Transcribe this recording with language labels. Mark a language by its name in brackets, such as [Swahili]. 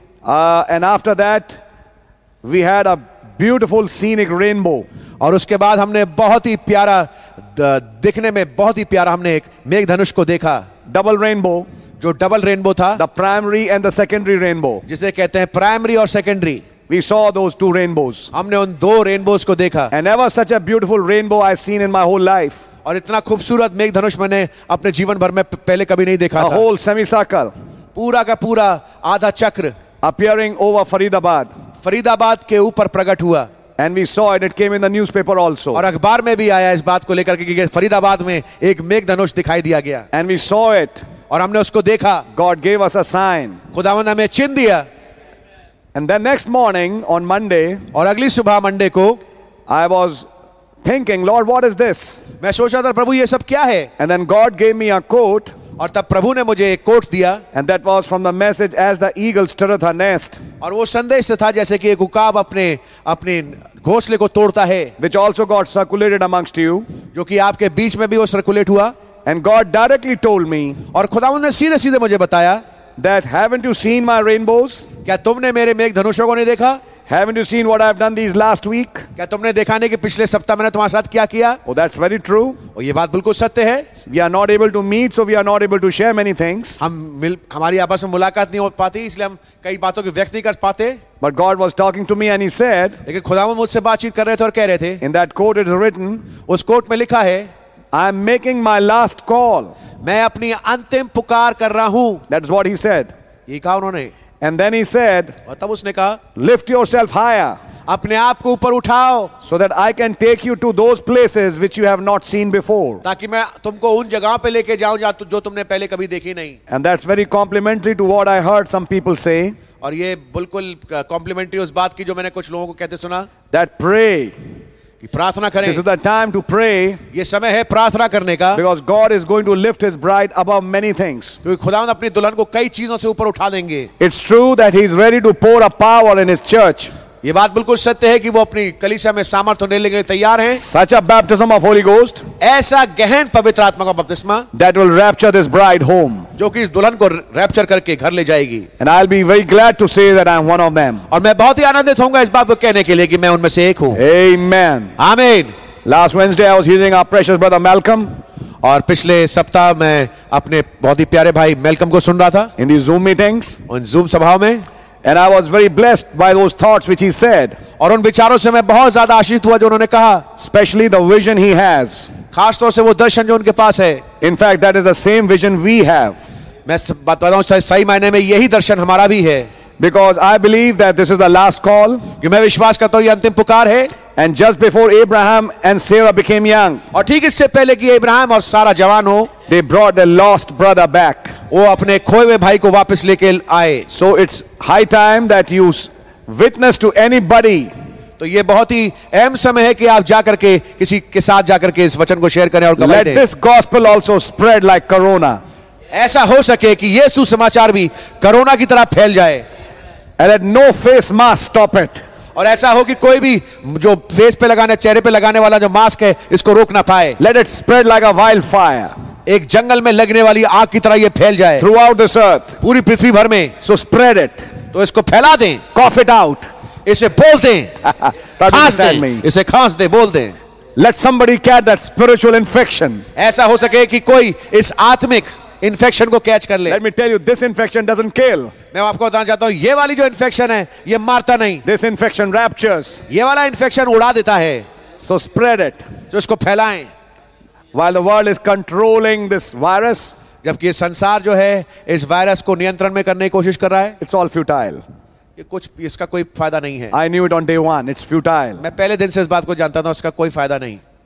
[English] and after that we had a beautiful scenic rainbow, [Hindi] और उसके बाद हमने बहुत ही प्यारा दिखने में बहुत ही प्यारा हमने एक मेघ धनुष को देखा. [English] double rainbow, [Hindi] जो डबल रेनबो था, [English] the primary and the secondary rainbow, [Hindi] जिसे कहते हैं प्राइमरी और secondary. [English] We saw those two rainbows. [Hindi] हमने उन दो रेनबोज को देखा. [English] And never such a beautiful rainbow I've seen in my whole life. [Hindi] और इतना खूबसूरत मेघ धनुष मैंने अपने जीवन भर में पहले कभी नहीं देखा था. [English] A whole semicircle. [Hindi] पूरा का पूरा आधा चक्र. [English] Appearing over Faridabad. [Hindi] फरीदाबाद के ऊपर प्रकट हुआ. [English] And we saw it. It came in the newspaper also. [Hindi] और अखबार में भी आया इस बात को लेकर कि फरीदाबाद में एक मेघ धनुष दिखाई दिया गया. [English] And we saw it. [Hindi] और हमने उसको देखा. [English] God gave us a sign. [Hindi] खुदावन ने हमें चिन्ह दिया. [English] And then next morning on Monday, [Hindi] और अगली सुबह मंडे को, [English] I was thinking, Lord, what is this? [Hindi] मैं सोच रहा था, प्रभु ये सब क्या है? [English] And then God gave me a coat. [Hindi] और तब प्रभु ने मुझे एक कोट दिया. [English] And that was from the message, as the eagle stirreth her nest. [Hindi] और वो संदेश था जैसे कि एक उकाब अपने अपने घोंसले को तोड़ता है. [English] Which also got circulated amongst you. [Hindi] जो कि आपके बीच में भी वो सर्कुलेट हुआ. [English] And God directly told me. [Hindi] और खुदावन ने सीधे सीधे मुझे बताया. [English] That haven't you seen my rainbows? [Hindi] क्या तुमने मेरे मेघ धनुषों को नहीं देखा? [English] Haven't you seen what I've done these last week? [Hindi] क्या तुमने देखा नहीं कि पिछले सप्ताह मैंने तुम्हारे साथ क्या किया? [English] Oh, that's very true. [Hindi] और ये बात बिल्कुल सत्य है. [English] We are not able to meet, so we are not able to share many things. [Hindi] हमारी आपस में मुलाकात नहीं हो पाती, इसलिए हम कई बातों की व्यक्त नहीं कर पाते. [English] But God was talking to me and He said. [Hindi] लेकिन खुदावन मुझसे बातचीत कर रहे थे और कह रहे थे. [English] In that court it is written. [Hindi] उस कोर्ट में लिखा है. [English] I am making my last call. [Hindi] मैं अपनी अंतिम पुकार कर रहा हूं. [English] That's what he said. [Hindi] ये कहा उन्होंने. [English] And then he said. [Hindi] और तब उसने कहा. [English] Lift yourself higher. [Hindi] अपने आप को ऊपर उठाओ. [English] So that I can take you to those places which you have not seen before. [Hindi] ताकि मैं तुमको उन जगहों पे लेके जाऊं जो तुमने पहले कभी देखी नहीं. [English] And that's very complimentary to what I heard some people say. [Hindi] और ये बिल्कुल complimentary उस बात की जो मैंने कुछ लोगों को कहते सुना. [English] That pray. [Hindi] प्रार्थना करें. [English] This is the time to pray. [Hindi] ये समय है प्रार्थना करने का. [English] Because God is going to lift His bride above many things. [Hindi] क्योंकि खुदावंद अपनी दुल्हन को कई चीजों से ऊपर उठा देंगे. [English] It's true that He is ready to pour a power in His church. [Hindi] ये बात बिल्कुल सत्य है कि वो अपनी कलीसिया में सामर्थ्य होने के लिए तैयार हैं. [English] Such a baptism of Holy Ghost. [Hindi] ऐसा गहन पवित्र आत्मा का बपतिस्मा. [English] That will rapture this bride home. [Hindi] जो कि इस दुल्हन को रैप्चर करके घर ले जाएगी. [English] And I'll be very glad to say that I'm one of them. [Hindi] और मैं बहुत ही आनंदित होऊंगा इस बात को कहने के लिए कि मैं उनमें से एक हूँ. [English] Amen. [Hindi] Amen. [English] Last Wednesday I was hearing our precious brother Malcolm. [Hindi] और पिछले सप्ताह मैं अपने बहुत ही प्यारे भाई मेलकम को सुन रहा था. [English] In these Zoom meetings. [Hindi] उन Zoom सभाओं में. [English] And I was very blessed by those thoughts which he said. [Hindi] और उन विचारों से मैं बहुत ज्यादा आशीषित हुआ जो उन्होंने कहा. [English] Especially the vision he has. [Hindi] खासतौर से वो दर्शन जो उनके पास है. [English] In fact, that is the same vision we have. [Hindi] मैं बताऊं सही मायने में यही दर्शन हमारा भी है. [English] Because I believe that this is the last call. [Hindi] कि मैं विश्वास करता हूं ये अंतिम पुकार है. [English] And just before Abraham and Sarah became young. [Hindi] और ठीक इससे पहले कि अब्राहम और सारा जवान हो. [English] They brought their lost brother back. [Hindi] वो अपने खोए हुए भाई को वापस लेके आए. [English] So it's high time that you witness to anybody. [Hindi] तो ये बहुत ही अहम समय है कि आप जाकर के किसी के साथ जाकर के इस वचन को शेयर करें और गवाही दें. [English] Let this gospel also spread like corona. [Hindi] ऐसा हो सके कि ये सुसमाचार भी कोरोना की तरह फैल जाए. [English] And let no face mask stop it. [Hindi] और ऐसा हो कि कोई भी जो फेस पे लगाने चेहरे पे लगाने वाला जो मास्क है इसको रोक ना पाए. [English] Let it spread like a wildfire. [Hindi] एक जंगल में लगने वाली आग की तरह ये फैल जाए. [English] Throughout this earth. [Hindi] पूरी पृथ्वी भर में. [English] So spread it. [Hindi] तो इसको फैला दें. [English] Cough it out. [Hindi] इसे बोल दें. खांस दें. इसे खांस दें, बोल दें. [English] Let somebody catch that spiritual infection. [Hindi] ऐसा हो सके कि कोई इस आत्मिक इन्फेक्शन को कैच कर ले. [English] Let me tell you, this infection doesn't kill. [Hindi] मैं आपको बताना चाहता हूँ, ये वाली जो इन्फेक्शन है ये मारता नहीं. [English] This infection raptures. [Hindi] ये वाला इन्फेक्शन उड़ा देता है. [English] So spread it. [Hindi] जो इसको फैलाएं. [English] While the world is controlling this virus. [Hindi] जबकि ये संसार जो है इस वायरस को नियंत्रण में करने की कोशिश कर रहा है. [English] It's all futile. [Hindi] ये कुछ इसका कोई फायदा नहीं है. [English] I knew it on day one. It's futile. [Hindi] मैं पहले दिन से इस बात को जानता था उसका कोई फायदा नहीं.